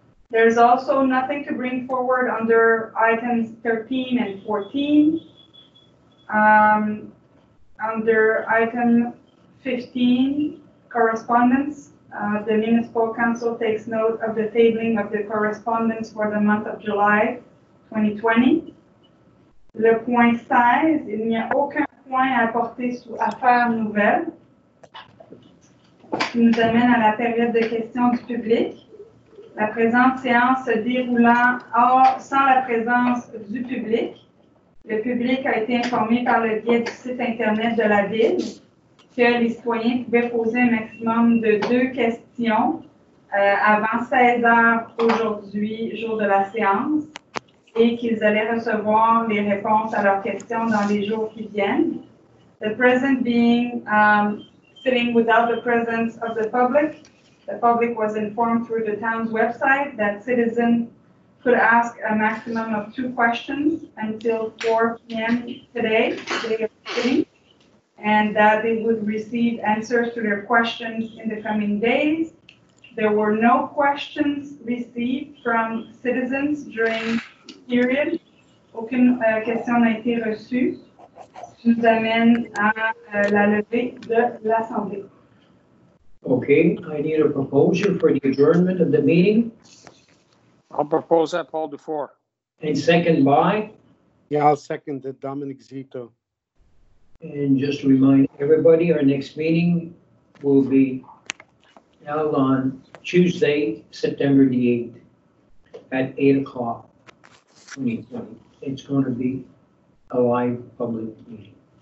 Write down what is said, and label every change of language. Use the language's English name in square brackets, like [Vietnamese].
[English] There's also nothing to bring forward under items 13 and 14. Under item 15, correspondence, the municipal council takes note of the tabling of the correspondence for the month of July 2020. [French] Le point 16, il n'y a aucun point à apporter sous affaires nouvelles. Ce qui nous amène à la période de questions du public. La présente séance se déroulant sans la présence du public. Le public a été informé par le biais du site Internet de la Ville que les citoyens pouvaient poser un maximum de 2 questions avant 16 heures aujourd'hui, jour de la séance, et qu'ils allaient recevoir les réponses à leurs questions dans les jours qui viennent. [English] The present being sitting without the presence of the public, the public was informed through the town's website that citizens could ask a maximum of 2 questions until 4 p.m. today, day of meeting, and that they would receive answers to their questions in the coming days. There were no questions received from citizens during the period. [French] Aucune question n'a été reçue. Ça nous amène à la levée de l'Assemblée. [English] Okay, I need a proposal for the adjournment of the meeting. I'll propose that, Paul Dufour. And second by? Yeah, I'll second that, Dominic Zito. And just to remind everybody, our next meeting will be held on Tuesday, September the 8th at 8 o'clock 2020. It's going to be a live public meeting.